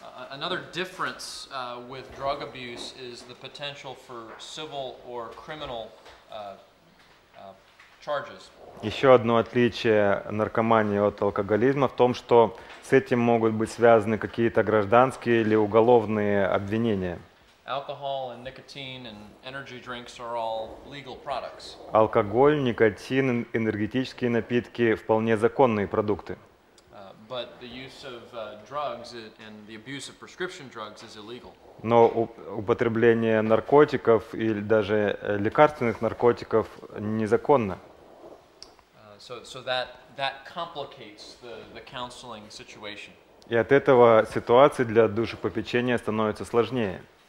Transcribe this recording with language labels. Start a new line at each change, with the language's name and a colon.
English: Another difference with drug abuse is the potential for civil or criminal charges.
Russian: Еще одно отличие наркомании от алкоголизма в том, что с этим могут быть связаны какие-то гражданские или уголовные обвинения.
English: Alcohol and nicotine and energy drinks are all legal products.
Russian: Алкоголь, никотин, энергетические напитки – вполне законные продукты.
English: But the use of drugs and the abuse of prescription drugs is illegal.
Russian: Но употребление наркотиков или даже лекарственных наркотиков незаконно.
English: So that complicates the counseling situation.
Russian: И от этого ситуации для душепопечения становится сложнее.